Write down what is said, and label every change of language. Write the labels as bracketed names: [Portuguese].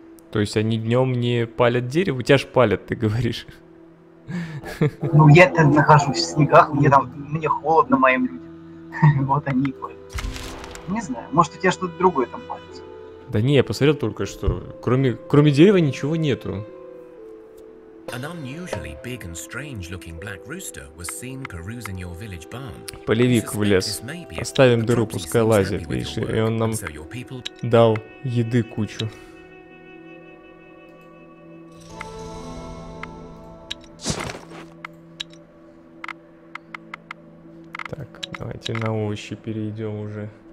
[Russian] То есть они днем не палят дерево? У тебя ж палят, ты говоришь. Ну я-то нахожусь в снегах, мне холодно моим людям. Вот они и палят. Не знаю, может у тебя что-то другое там палится. Да не, я посмотрел только что. Кроме дерева ничего нету. [English] An unusually big and strange-looking black rooster was seen perusing your village barn. [Russian] Полевик в лес. Оставим дыру, пускай лазит, видишь, и он нам дал еды кучу. Так, давайте на овощи перейдем уже.